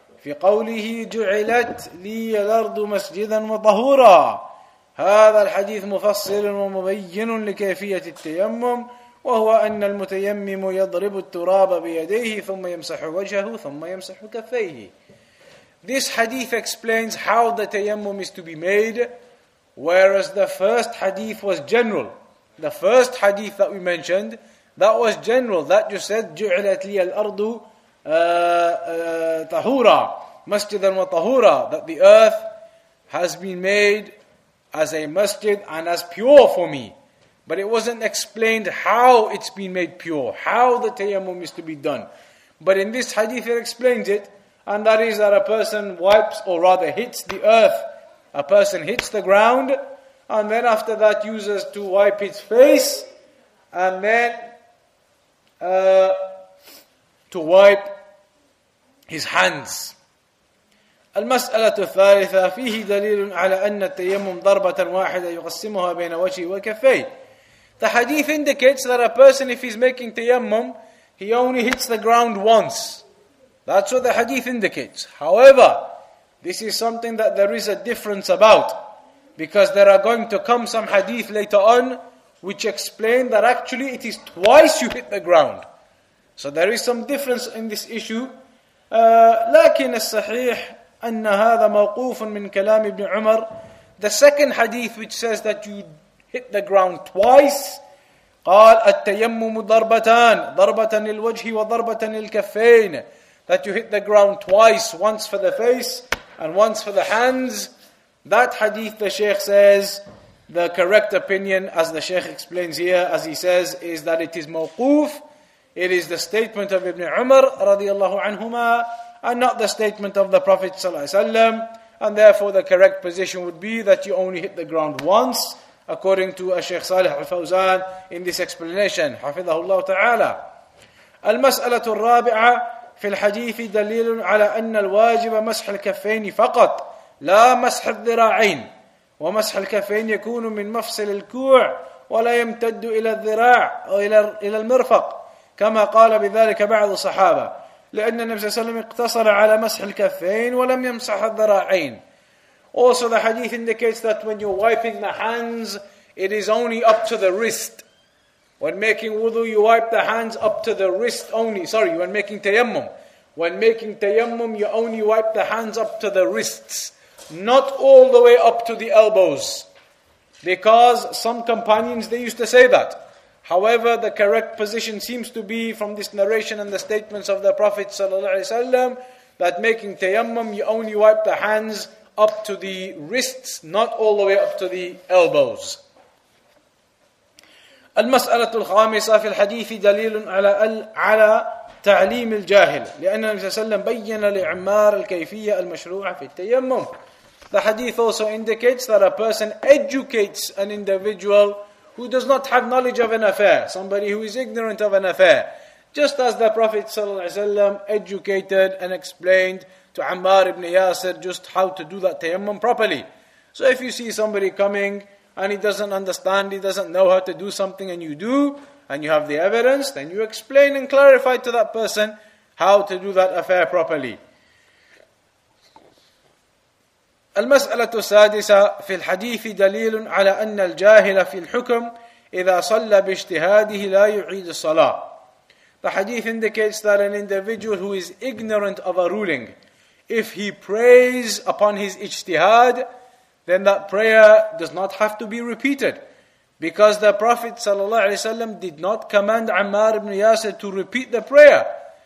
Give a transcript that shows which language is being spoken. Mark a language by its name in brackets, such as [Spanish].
[Arabic] في قوله جعلت لي الأرض مسجدا وطهورا. هذا الحديث مفصل ومبين لكيفية التيمم، وهو أن المتيمم يضرب التراب بيديه ثم يمسح وجهه ثم يمسح كفيه. [English] This hadith explains how the tayammum is to be made, whereas the first hadith was general. The first hadith that we mentioned, that was general, that you said [Arabic] جعلت لي الأرض طهورا مسجدا وطهورا, [English] that the earth has been made as a masjid and as pure for me. But it wasn't explained how it's been made pure, how the tayammum is to be done. But in this hadith it explains it, and that is that a person wipes, or rather hits the earth, a person hits the ground, and then after that uses to wipe its face, and then to wipe his hands. [Arabic] المسألة الثالثة فيه دليل على أن التيمم ضربة واحدة يقسمها بين وجهه وكفيه. [English] The hadith indicates that a person, if he's making tayammum, he only hits the ground once. That's what the hadith indicates. However, this is something that there is a difference about, because there are going to come some hadith later on which explain that actually it is twice you hit the ground. So there is some difference in this issue. [Arabic] لكن الصحيح أن هذا موقوف من كلام ابن عمر. [English] The second hadith which says that you hit the ground twice, [Arabic] قال التيمم ضربتان, ضربة للوجه وضربة للكفين, [English] that you hit the ground twice, once for the face and once for the hands. That hadith, the Shaykh says, the correct opinion, as the Shaykh explains here, as he says, is that it is mawquf. It is the statement of Ibn Umar radiallahu anhuma, and not the statement of the Prophet sallallahu alaihi wasallam. And therefore the correct position would be that you only hit the ground once, according to Shaykh Salih al-Fawzan in this explanation. Hafidhahullah ta'ala. [Arabic] المسألة الرابعة في الحديث دليل على أن الواجب مسح الكفين فقط لا مسح الذراعين, ومسح الكفين يكون من مفصل الكوع ولا يمتد إلى الذراع أو إلى المرفق كما قال بذلك بعض الصحابة, لأن النبي صلى الله عليه وسلم اقتصر على مسح الكفين ولم يمسح الذراعين. [English] Also the hadith indicates that when you're wiping the hands, it is only up to the wrist. When making wudu, you wipe the hands up to the wrist only. Sorry, when making tayammum. When making tayammum, you only wipe the hands up to the wrists, not all the way up to the elbows. Because some companions, they used to say that. However, the correct position seems to be from this narration and the statements of the Prophet ﷺ, that making tayammum, you only wipe the hands up to the wrists, not all the way up to the elbows. [Arabic] المسألة الخامسة في الحديث دليل على تعليم الجاهل, لأن النبي صلى الله عليه وسلم بين لعمار الكيفية المشروعة في التيمم. [English] The hadith also indicates that a person educates an individual who does not have knowledge of an affair, somebody who is ignorant of an affair, just as the Prophet صلى الله عليه وسلم educated and explained to Ammar ibn Yasir just how to do that tayammum properly. So if you see somebody coming and he doesn't understand, he doesn't know how to do something, and you do, and you have the evidence, then you explain and clarify to that person how to do that affair properly. [Arabic] المسألة السادسة في الحديث دليل على أن الجاهل في الحكم إذا صلى باجتهاده لا يعيد الصلاة. [English] The hadith indicates that an individual who is ignorant of a ruling, if he prays upon his ijtihad, then that prayer does not have to be repeated. Because the Prophet ﷺ did not command Ammar ibn Yasir to repeat the prayer.